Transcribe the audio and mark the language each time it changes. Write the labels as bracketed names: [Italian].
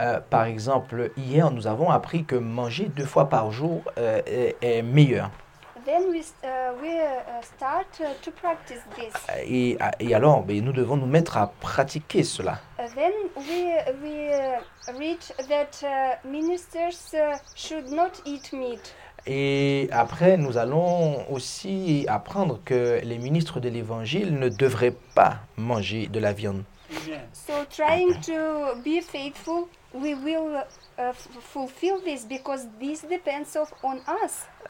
[French] Par exemple, hier nous avons appris que manger deux fois par jour est meilleur. [English] Then we start to practice this. [French] Et alors, ben, nous devons nous mettre à pratiquer cela. [English] Then we read that ministers should not eat meat. [French] Et après, nous allons aussi apprendre que les ministres de l'Évangile ne devraient pas manger de la viande. [English] So trying to be faithful, we will fulfill this because this depends on us.